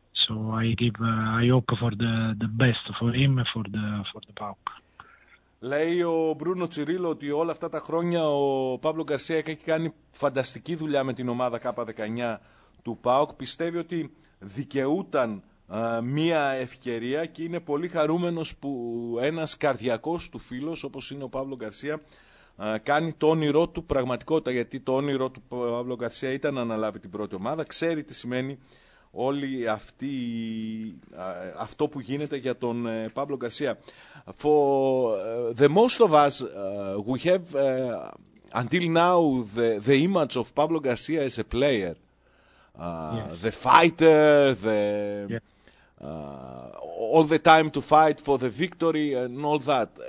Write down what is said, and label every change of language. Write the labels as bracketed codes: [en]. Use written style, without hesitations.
[en] So I give I hope for the best for him and for the PAOK. [el] Λέει ο Μπρούνο Τσιρίλο ότι όλα αυτά τα χρόνια ο Πάμπλο Γκαρσία έχει κάνει φανταστική δουλειά με την ομάδα K19 του ΠΑΟΚ. Πιστεύει ότι δικαιούταν μία ευκαιρία και είναι πολύ χαρούμενος που ένας καρδιακός του φίλος όπως είναι ο Πάμπλο Γκαρσία κάνει το όνειρό του πραγματικότητα, γιατί το όνειρό του Πάμπλο Γκαρσία ήταν να αναλάβει την πρώτη ομάδα. Ξέρει τι σημαίνει όλη αυτή, αυτό που γίνεται για τον Πάμπλο Γκαρσία. [en] For the most of us, we have until now the image of Pablo Garcia as a player, the fighter, all the time to fight for the victory and all that.